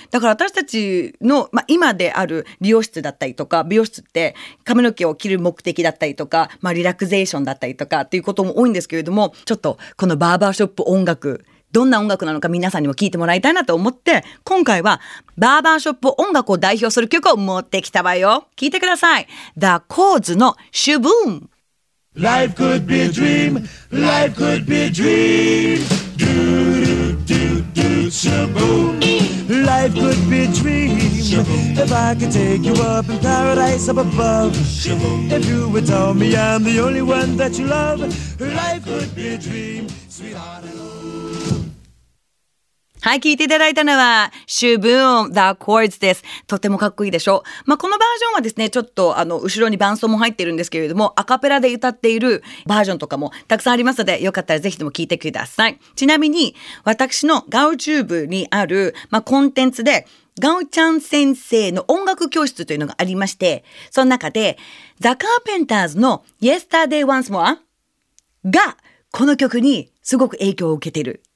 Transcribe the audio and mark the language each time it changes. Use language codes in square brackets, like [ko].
[ja] だから私たちの、まあ、今である美容室だったりとか美容室って髪の毛を切る目的だったりとか、まあ、リラクゼーションだったりとかっていうことも多いんですけれどもちょっとこのバーバーショップ音楽どんな音楽なのか皆さんにも聞いてもらいたいなと思って今回はバーバーショップ音楽を代表する曲を持ってきたわよ。聞いてください。The Cause の Shaboom。 [en] Life could be a dream, life could be a dream, do do do do Shaboom. Life could be a dream, Shaboom. If I could take you up in paradise up above, Shaboom. If you would tell me I'm the only one that you love, life could be a dream, sweetheart. [ja] はい、聞いていただいたのは、Shaboom The Chords です。とてもかっこいいでしょ。まあ、このバージョンはですね、ちょっと、後ろに伴奏も入っているんですけれども、アカペラで歌っているバージョンとかもたくさんありますので、よかったらぜひとも聞いてください。ちなみに、私の GouTube にある、まあ、コンテンツで、ガウちゃん先生の音楽教室というのがありまして、その中で、The Carpenters の Yesterday Once More が、この曲にすごく影響を受けている。